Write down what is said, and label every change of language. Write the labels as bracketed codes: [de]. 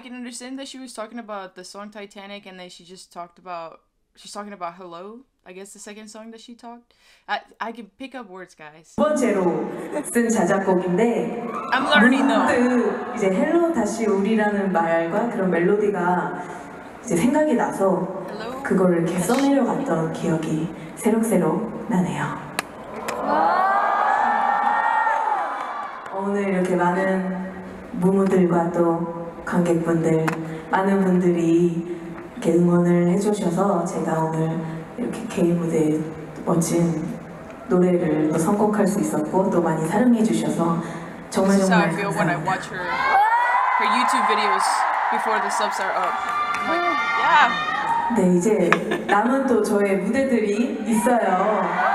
[en] can understand that she was talking about the song Titanic and then she just talked about. She's talking about Hello. I guess the second song that she talked. I can pick up words, guys. [ko] 두 번째로 쓴 자작곡인데. [en] I'm learning though. [ko] 이제 Hello 다시 우리라는 말과 그런 멜로디가 이제 생각이 나서 [en] Hello? [ko] 그거를 이렇게 써내려 갔던 기억이 새록새록 나네요. 오늘 이렇게 많은 무무들과 또 관객분들 많은 분들이 이렇게 응원을 해주셔서 제가 오늘 이렇게 개인 무대 멋진 노래를 또 선곡할 수 있었고 또 많이 사랑해 주셔서 정말 정말 [en] This is how I feel when I watch her, her YouTube videos before the subs are up. Like, yeah. [ko] 네, 이제 남은 또 저의 무대들이 있어요.